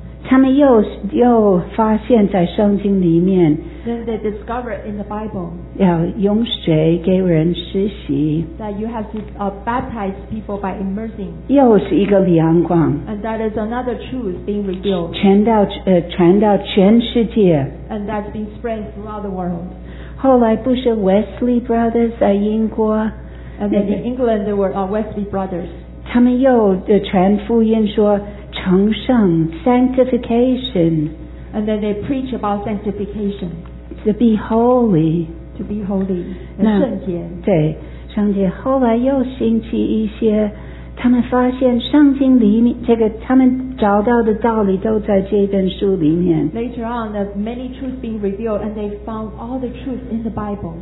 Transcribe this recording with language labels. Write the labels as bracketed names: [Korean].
[Chinese] 他们 又发现在圣经里面 [English] Then they discover it in the Bible. [Chinese] 要用水给人施洗。 [English] That you have to baptize people by immersing. [Chinese] 又是一个亮光。 [English] And that is another truth being revealed. [Chinese] 传到全世界。 [English] And that's been spread throughout the world. [Chinese] 后来不是 Wesley Brothers 在英国。 [English] And then in England there were Wesley Brothers. [Chinese] 他们又传福音说成圣 sanctification. [English] And then they preach about sanctification. To be holy. To be holy. [Chinese] 圣洁。对，圣洁。后来又兴起一些他们发现圣经里面这个他们找到的道理都在这本书里面。 [English] Later on, there are many truths being revealed, and they found all the truths in the Bible.